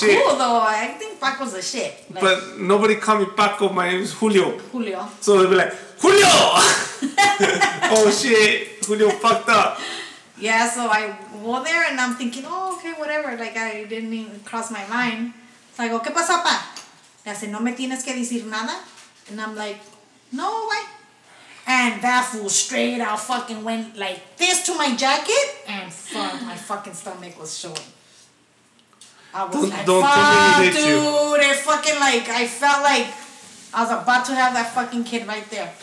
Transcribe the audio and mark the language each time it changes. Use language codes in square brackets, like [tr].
[en] the shit. Cool, though. I think Paco's the shit. Like, but nobody call me Paco. My name is Julio. Julio. So they'll be like, Julio! Oh, shit. Julio fucked up. Yeah, so I go there and I'm thinking, oh, okay, whatever. Like, I didn't even cross my mind. So I go, [es] ¿qué pasa, pa? Le hace, ¿no me tienes que decir nada? [en] And I'm like, no, why? And that fool straight out fucking went like this to my jacket. And fuck, my fucking stomach was showing. I was don't, dude. It fucking like, I felt like I was about to have that fucking kid right there.